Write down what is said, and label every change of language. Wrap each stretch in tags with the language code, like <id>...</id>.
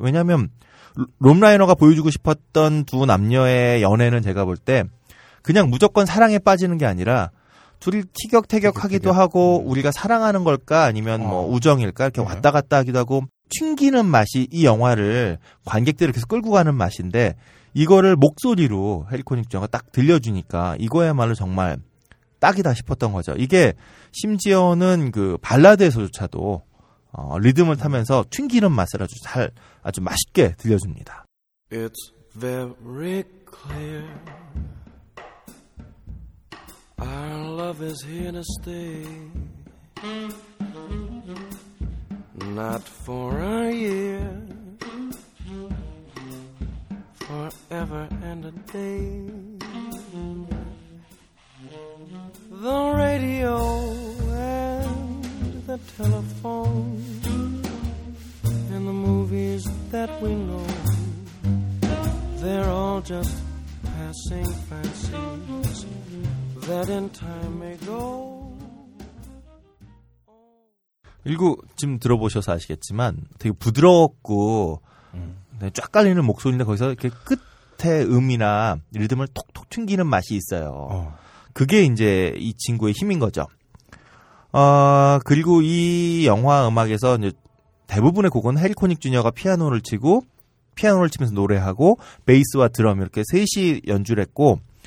<ko>왜냐하면 롬 라이너가 보여주고 싶었던 두 남녀의 연애는 제가 볼 때 그냥 무조건 사랑에 빠지는 게 아니라 둘이 티격태격하기도 하고 우리가 사랑하는 걸까 아니면 뭐 우정일까 이렇게 왔다 갔다 하기도 하고 튕기는 맛이 이 영화를 관객들을 계속 끌고 가는 맛인데 이거를 목소리로 헬코닉 주니어가 딱 들려주니까 이거야말로 정말 딱이다 싶었던 거죠. 이게 심지어는 그 발라드에서조차도 리듬을 타면서 튕기는 맛을 아주 잘 아주 맛있게 들려줍니다.</ko> <en>It's very clear our love is here to stay not for a year forever and a day the radio and the telephone and the movies that we know they're all just passing fancies that in time may go.</en> <ko>그리고 지금 들어보셔서 아시겠지만 되게 부드럽고 네, 쫙 깔리는 목소리인데 거기서 이렇게 끝에 음이나 리듬을 톡톡 튕기는 맛이 있어요. 그게 이제 이 친구의 힘인 거죠. 그리고 이 영화 음악에서 이제 대부분의 곡은 헬코닉 주니어가 피아노를 치고 피아노를 치면서 노래하고 베이스와 드럼 이렇게 셋이 연주를 했고</ko>